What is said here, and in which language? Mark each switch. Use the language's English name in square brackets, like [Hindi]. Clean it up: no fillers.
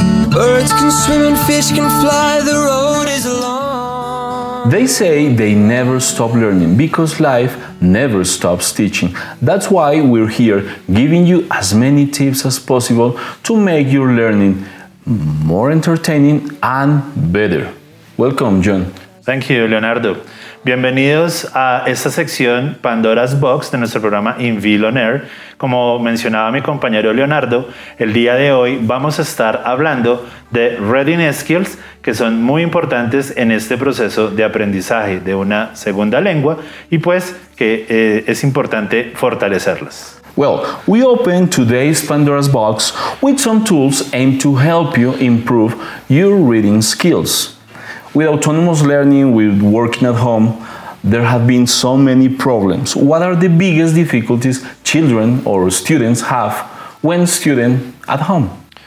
[English] Birds can swim and fish can fly, the road is long. They say they never stop learning because life never stops teaching. That's why we're here giving you as many tips as possible to make your learning more entertaining and better. Welcome, John. Thank you, Leonardo. [Spanish] Bienvenidos a esta sección Pandora's Box de nuestro programa Invid on Air. Como mencionaba mi compañero Leonardo, el día de hoy vamos a estar hablando de readiness skills que son muy importantes en este proceso de aprendizaje de una segunda lengua y pues que es importante fortalecerlas. [English] Well, we open today's Pandora's Box with some tools aimed to help you improve your reading skills. With autonomous learning, with working at home, there have been so many problems. What are the biggest difficulties children or students have when student at home?